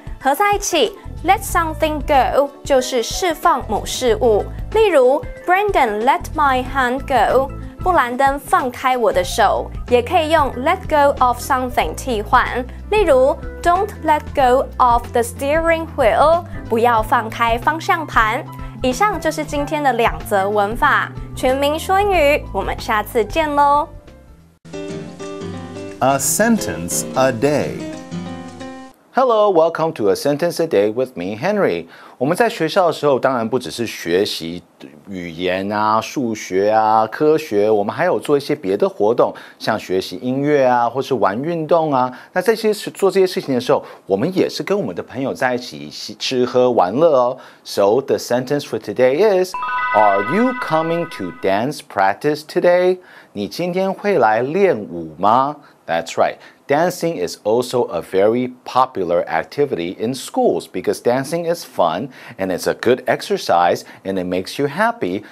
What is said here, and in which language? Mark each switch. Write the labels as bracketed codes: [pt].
[zh] 合在一起Let something go 就是释放某事物，例如 [en] Brandon let my hand go， [zh] 布兰登放开我的手，也可以用 let go of something 替换，例如 [en] Don't let go of the steering wheel， [zh] 不要放开方向盘。以上就是今天的两则文法，全民说英语，我们下次见咯。 [en] A sentence a day Hello, welcome to A Sentence a Day with me, Henry. [zh] 我们在学校的时候当然不只是学习语言啊、数学啊、科学，我们还有做一些别的活动，像学习音乐啊或是玩运动啊。那在做这些事情的时候，我们也是跟我们的朋友在一起吃喝玩乐哦。 [en] So the sentence for today is, Are you coming to dance practice today? [zh] 你今天会来练舞吗？ [en] That's right. Dancing is also a very popular activity in schools because dancing is fun and it's a good exercise and it makes you happy.